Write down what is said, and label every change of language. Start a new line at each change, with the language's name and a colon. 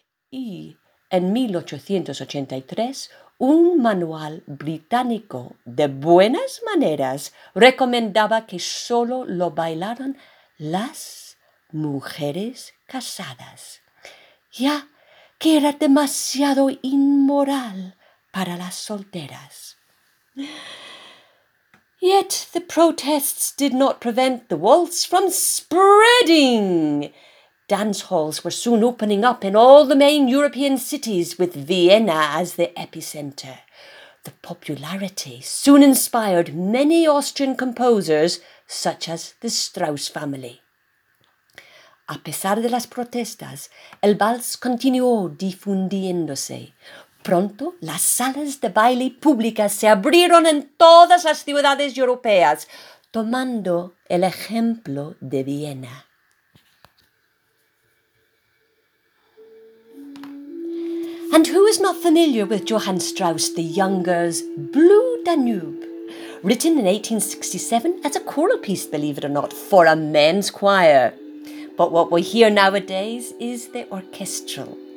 Spanish: Y en 1883, un manual británico de buenas maneras recomendaba que solo lo bailaran las mujeres casadas, ya que era demasiado inmoral para las solteras.
English: Yet the protests did not prevent the waltz from spreading. Dance halls were soon opening up in all the main European cities, with Vienna as the epicentre. The popularity soon inspired many Austrian composers, such as the Strauss family.
Spanish: A pesar de las protestas, el vals continuó difundiéndose. Pronto, las salas de baile públicas se abrieron en todas las ciudades europeas, tomando el ejemplo de Viena.
English: And who is not familiar with Johann Strauss the Younger's Blue Danube? Written in 1867 as a choral piece, believe it or not, for a men's choir. But what we hear nowadays is the orchestral.